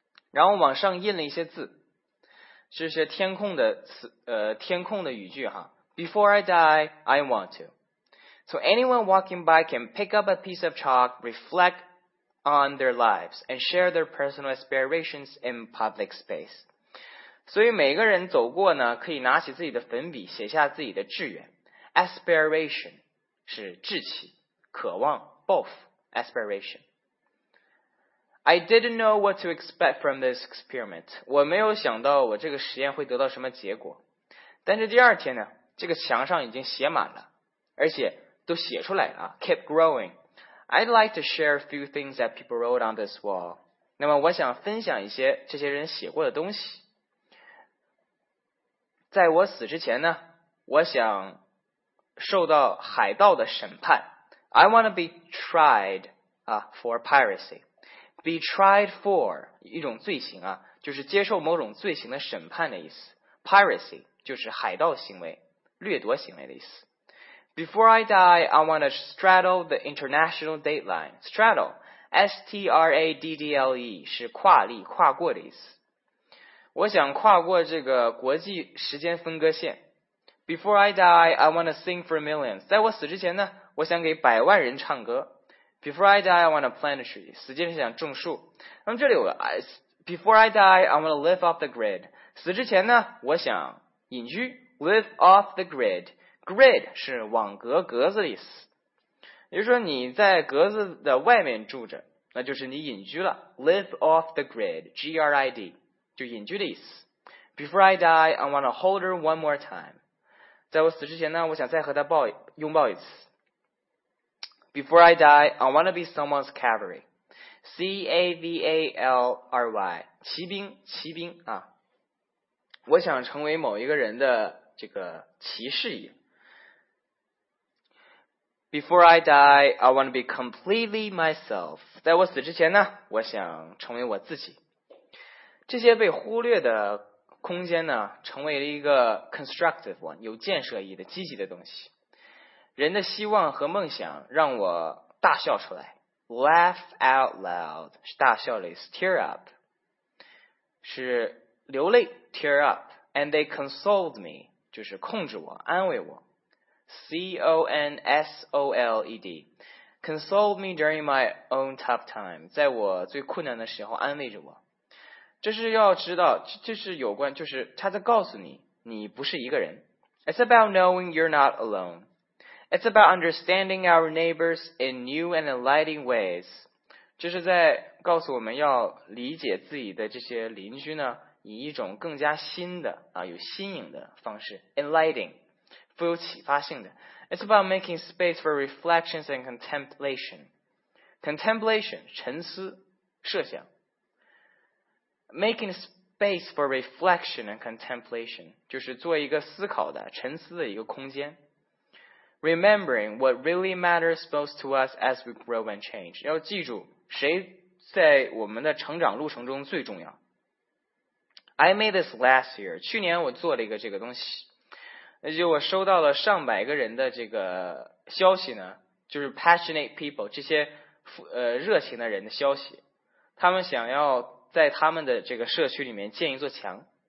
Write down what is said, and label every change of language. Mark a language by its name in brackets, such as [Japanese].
[Chinese] 然后往上印了一些字是一些填空的填空的语句哈 [English] Before I die I want toSo anyone walking by can pick up a piece of chalk, reflect on their lives, and share their personal aspirations in public space. [Chinese] 所以每个人走过呢，可以拿起自己的粉笔，写下自己的志愿。 Aspiration 是志气，渴望 ， [English] both aspiration. I didn't know what to expect from this experiment. [Chinese] 我没有想到我这个实验会得到什么结果。但是第二天呢，这个墙上已经写满了，而且都写出来了 , [English] keep growing. I'd like to share a few things that people wrote on this wall. [Chinese] 那么我想分享一些这些人写过的东西。在我死之前呢，我想受到海盗的审判。 [English] I want to be tried, for piracy. [Chinese] Be tried for, 一种罪行啊，就是接受某种罪行的审判的意思。 Piracy, 就是海盗行为，掠夺行为的意思。 [English] Before I die, I want to straddle the international dateline. [Chinese] Straddle, S-T-R-A-D-D-L-E, 是跨立、跨过的意思。我想跨过这个国际时间分割线。 [English] Before I die, I want to sing for millions. [Chinese] 在我死之前呢，我想给百万人唱歌。 [English] Before I die, I want to plant a tree. [Chinese] 死之前想种树。那么这里有个 [English] Before I die, I want to live off the grid. [Chinese] 死之前呢，我想隐居。 [English] Live off the grid. [Chinese] Grid 是网格、格子的意思。也就是说你在格子的外面住着，那就是你隐居了。 [English] Live off the grid. G-R-I-D. [Chinese] 就隐居的意思。 [English] Before I die, I want to hold her one more time. [Chinese] 在我死之前呢，我想再和他抱拥抱一次。 [English] Before I die, I want to be someone's cavalry. [Chinese] C-A-V-A-L-R-Y, 骑兵，骑兵啊！我想成为某一个人的这个骑士一样。 [English] Before I die, I want to be completely myself. [Chinese] 在我死之前呢，我想成为我自己。这些被忽略的空间呢，成为了一个 [English] constructive one, [Chinese] 有建设意义的积极的东西。人的希望和梦想让我大笑出来。 Laugh out loud, 是大笑的意思。 Tear up, 是流泪。 [English] Tear up, and they consoled me, [Chinese] 就是控制我，安慰我。 [English] C-O-N-S-O-L-E-D, consoled me during my own tough time, [Chinese] 在我最困难的时候安慰着我。这是要知道，这是有关，就是他在告诉你，你不是一个人。 [English] It's about knowing you're not alone. It's about understanding our neighbors in new and enlightening ways. [Chinese] 这是在告诉我们要理解自己的这些邻居呢，以一种更加新的啊，有新颖的方式。 Enlightening, 富有启发性的。 [English] It's about making space for reflections and contemplation. [Chinese] Contemplation, 沉思，设想。 [English] Making space for reflection and contemplation, [Chinese] 就是做一个思考的、沉思的一个空间。 [English] Remembering what really matters most to us as we grow and change, [Chinese] 要记住谁在我们的成长路程中最重要。 [English] I made this last year, [Chinese] 去年我做了一个这个东西，那就我收到了上百个人的这个消息呢，就是 [English] passionate people, [Chinese] 这些热情的人的消息，他们想要在他们的这个社区里面建一座墙。